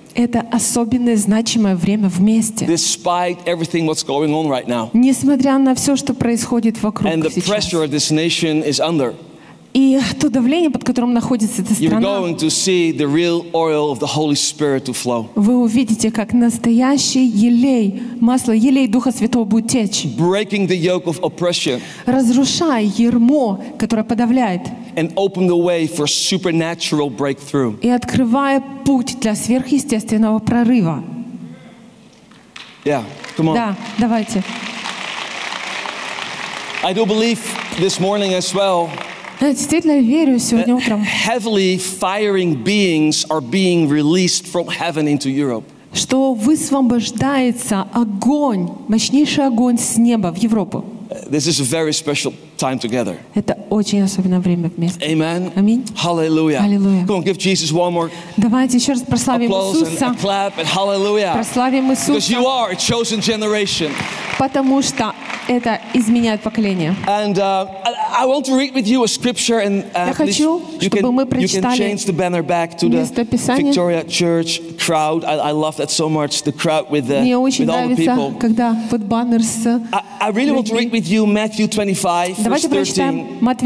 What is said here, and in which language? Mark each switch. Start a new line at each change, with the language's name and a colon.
Russian: Это особенное значимое время вместе.
English: Despite everything what's going on right now.
Russian: Несмотря на все, что происходит вокруг
English: And the
Russian: сейчас.
English: Pressure this nation is under.
Russian: И то давление, под которым находится эта страна.
English: You're going to see the real oil of the Holy Spirit to flow.
Russian: Вы увидите, как настоящий елей, масло елей Духа Святого будет течь.
English: Breaking the yoke of oppression.
Russian: Разрушая ярмо, которое подавляет.
English: And open the way for supernatural breakthrough.
Russian: И открывая путь для сверхъестественного прорыва.
English: Yeah, come on.
Russian: Да, давайте.
English: I do believe this morning as well.
Russian: Я действительно верю сегодня утром.
English: Heavily firing beings are being released from heaven into Europe.
Russian: Что высвобождается огонь, мощнейший огонь с неба в Европу.
English: This is a very special time together.
Russian: Это очень особенное время вместе.
English: Amen.
Russian: Аминь.
English: Hallelujah. Hallelujah. Come on, give Jesus one more.
Russian: Давайте еще раз прославим Иисуса.
English: Clap and hallelujah.
Russian: Прославим Иисуса.
English: Because you are a chosen generation.
Russian: Потому что это изменяет поколение.
English: And I want to read with you a scripture, and you can change the banner back to the Victoria Church crowd. I love that so much. The crowd with the people. I really want to read with you Matthew 25, verse 13.